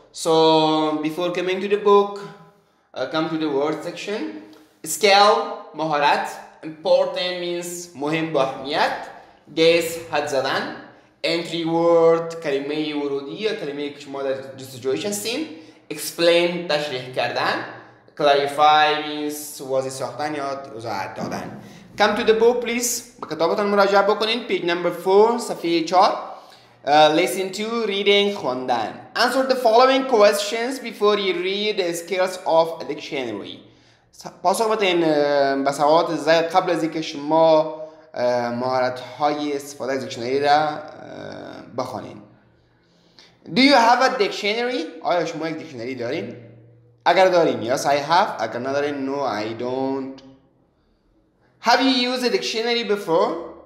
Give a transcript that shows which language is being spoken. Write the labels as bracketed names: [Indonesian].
[English] So before coming to the book, come to the word section. Skill, [Persian] مهارت. [English] Important means [Persian] مهم با اهمیت. [English] Guess, [Persian] حد زدن. [English] Entry word, [Persian] کلمه ورودی یا کلمه که شما در جستجوی هستین. [English] Explain, [Persian] تشریح کردن. [English] Clarify means [Persian] واضح ساختن یا وضاحت دادن. [English] Come to the book, please. [Persian] به کتابتان مراجعه بکنین. [English] Page number 4, [Persian] صفحه 4. [English] Lesson 2, reading, [Persian] خواندن. [English] Answer the following questions before you read the skills of a dictionary. [Persian] پاسخ بدین به سوالات زیاد قبل از اینکه شما مهارت‌های استفاده از دیکشنری را بخونین. [English] Do you have a dictionary? [Persian] آیا شما یک دیکشنری دارین؟ اگر دارین، [English] yes, I have. [Persian] اگر ندارین، [English] no, I don't. Have you used a dictionary before?